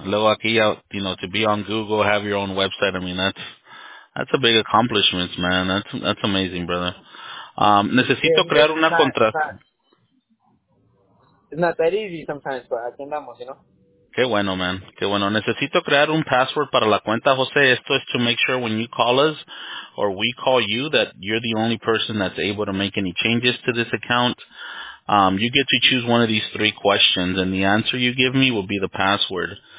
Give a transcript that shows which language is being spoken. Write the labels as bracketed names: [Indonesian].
[Spanish] Luego aquí, [English] you know, to be on Google, have your own website. I mean, that's a big accomplishment, man. That's amazing, brother. [Spanish] Necesito crear una contraseña. [English] It's not that easy sometimes, but [Spanish] atendamos, [English] you know? [Spanish] Qué bueno, man. Qué bueno. Necesito crear un password para la cuenta, Jose. Esto es [English] to make sure when you call us, or we call you, that you're the only person that's able to make any changes to this account. You get to choose one of these three questions, and the answer you give me will be the password.